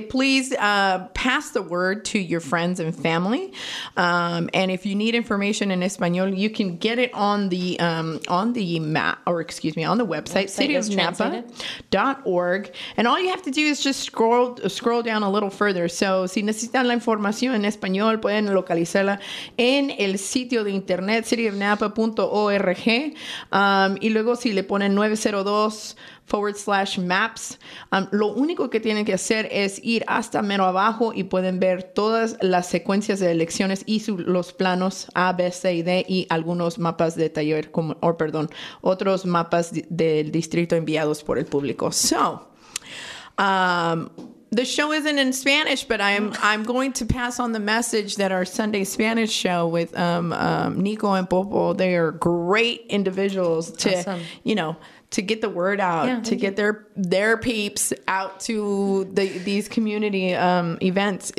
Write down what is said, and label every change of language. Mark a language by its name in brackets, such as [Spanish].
[English] Please pass the word to your friends and family. And if you need information in Espanol, you can get it on the map, or excuse me, on the website, cityofnapa.org. And all you have to do is just scroll down a little further. [Spanish] So, si necesitan la información en español, pueden localizarla en el sitio de internet, cityofnapa.org. Y luego, si le ponen 902/maps. Lo único que tienen que hacer es ir hasta mero abajo y pueden ver todas las secuencias de elecciones y los planos A, B, C y D y algunos mapas de taller, otros mapas del distrito enviados por el público. [English] So, the show isn't in Spanish, but I'm going to pass on the message that our Sunday Spanish show with Nico and Popo, they are great individuals to, awesome. You know, to get the word out, yeah, to get their peeps out to these community events.